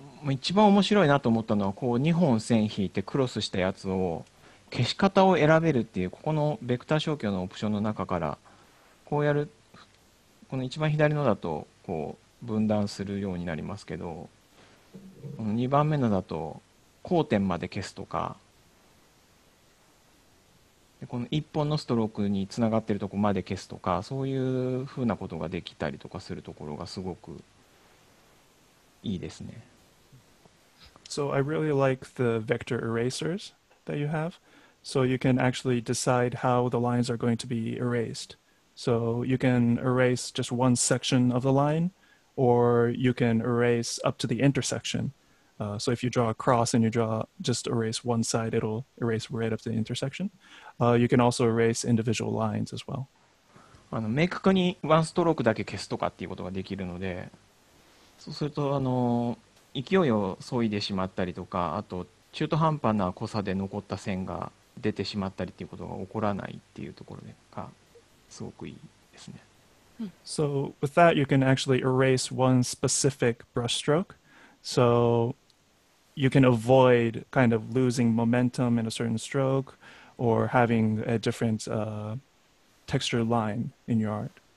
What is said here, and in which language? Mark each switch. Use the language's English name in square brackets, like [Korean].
[Japanese] 一番面白いなと思ったのは、こう2本線引いてクロスしたやつを消し方を選べるっていう、ここのベクター消去のオプションの中からこうやる、この一番左のだとこう分断するようになりますけど、2番目のだと交点まで消すとか、でこの1本のストロークにつながっているところまで消すとか、そういうふうなことができたりとかするところがすごくいいですね。 [English] So I really like the vector erasers that you have. So you can actually decide how the lines are going to be erased. So you can erase just one section of the lineOr you can erase up to the intersection.、So if you draw a cross and you draw, just erase one side, it'll erase right up to the intersection.、you can also erase individual lines as well. [Japanese] 明確にワンストロークだけ消すとかっていうことができるので、そうすると勢いを削いでしまったりとか、あと中途半端な濃さで残った線が出てしまったりっていうことが起こらないっていうところがすごくいいですね。 [English] So with that, you can actually erase one specific brush stroke. So you can avoid kind of losing momentum in a certain stroke or having a different、texture line in your art.